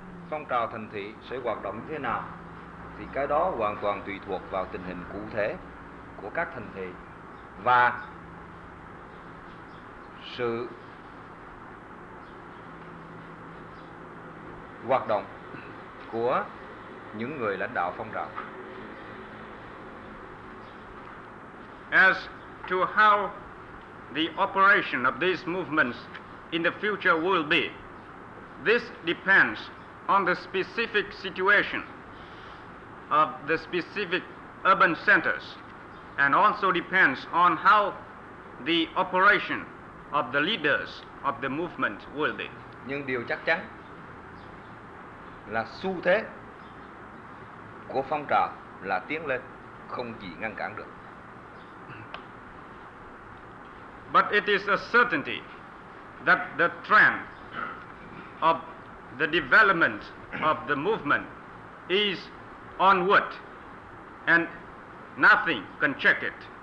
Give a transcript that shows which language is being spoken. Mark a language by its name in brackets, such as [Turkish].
[Vietnamese] phong trào thành thị sẽ hoạt động thế nào thì cái đó hoàn toàn tùy thuộc vào tình hình cụ thể của các thành thị và sự hoạt động của những người lãnh đạo phong trào. [English] As to how the operation of these movements in the future will be, this depends on the specific situation of the specific urban centers and also depends on how the operation of the leaders of the movement will be. [Vietnamese] Nhưng điều chắc chắn là xu thế của phong trào là tiến lên, không gì ngăn cản được. [English] But it is a certainty that the trend of the development of the movement is onward and nothing can check it.